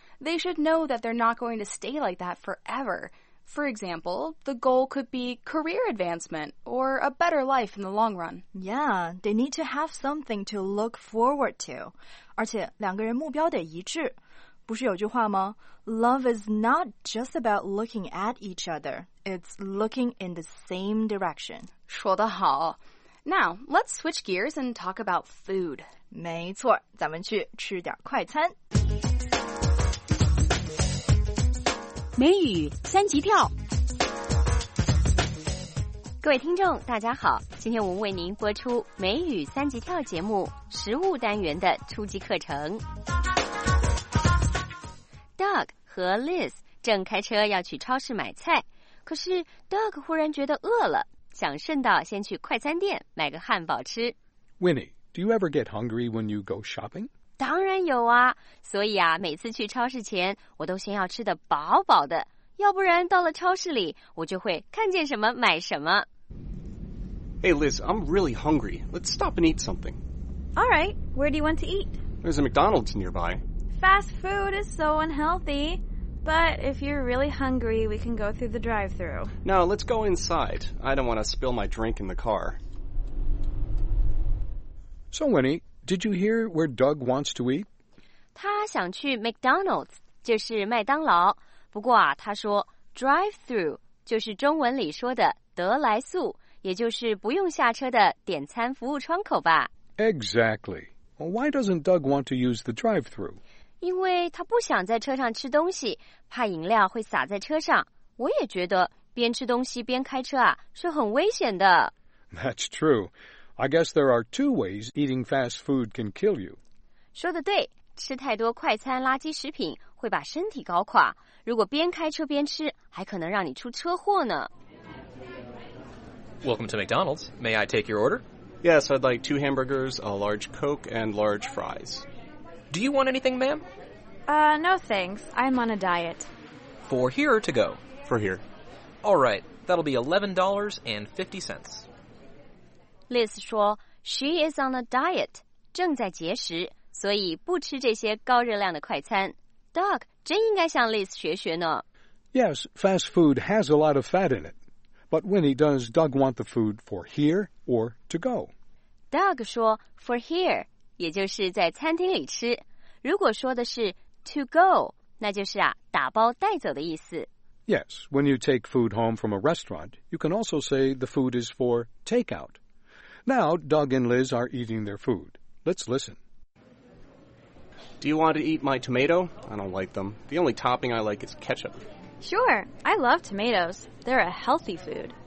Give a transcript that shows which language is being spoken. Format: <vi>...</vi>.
<en>They should know that they're not going to stay like that forever. For example, the goal could be career advancement or a better life in the long run. Yeah, they need to have something to look forward to.</en> <zh>而且两个人目标得一致。不是有句话吗？</zh> <en>Love is not just about looking at each other. It's looking in the same direction.</en> <zh>说得好。</zh> <en>Now, let's switch gears and talk about food.</en> <zh>没错，咱们去吃点快餐。美语三级跳，各位听众大家好，今天我们为您播出美语三级跳节目食物单元的初级课程。 Doug 和 Liz 正开车要去超市买菜，可是 Doug 忽然觉得饿了，想顺道先去快餐店买个汉堡吃。</zh> <en>Winnie, do you ever get hungry when you go shopping?</en> <zh>当然有啊，所以啊，每次去超市前，我都先要吃得饱饱的，要不然到了超市里，我就会看见什么买什么。</zh> <en>Hey Liz, I'm really hungry. Let's stop and eat something. All right, where do you want to eat? There's a McDonald's nearby. Fast food is so unhealthy. But if you're really hungry, we can go through the drive-thru. No, let's go inside. I don't want to spill my drink in the car. So Winnie,Did you hear where Doug wants to eat?</en> <zh>他想去 McDonald's, 就是麦当劳。不过啊，他说 drive-through 就是中文里说的得来速，也就是不用下车的点餐服务窗口吧。</zh> <en>Exactly. Well, why doesn't Doug want to use the drive-through?</en> <zh>因为他不想在车上吃东西，怕饮料会洒在车上。我也觉得边吃东西边开车啊，是很危险的。</zh> <en>That's true. I guess there are two ways eating fast food can kill you.</en> <zh>说得对，吃太多快餐垃圾食品会把身体搞垮。如果边开车边吃，还可能让你出车祸呢。</zh> <en>Welcome to McDonald's. May I take your order? Yes, I'd like two hamburgers, a large Coke, and large fries. Do you want anything, ma'am? No thanks. I'm on a diet. For here or to go? For here. All right, that'll be $11.50.</en> <zh>Liz 说 ,</zh> <en>She is on a diet,</en> <zh>正在节食，所以不吃这些高热量的快餐。 Doug 真应该向 Liz 学学呢。</zh> <en>Yes, fast food has a lot of fat in it. But Winnie, does Doug want the food for here or to go?</en> <zh>Doug 说 ,</zh> <en>for here,</en> <zh>也就是在餐厅里吃。如果说的是</zh> <en>to go,</en> <zh>那就是啊打包带走的意思。</zh> <en>Yes, when you take food home from a restaurant, you can also say the food is for takeout. Now, Doug and Liz are eating their food. Let's listen. Do you want to eat my tomato? I don't like them. The only topping I like is ketchup. Sure. I love tomatoes. They're a healthy food.</en>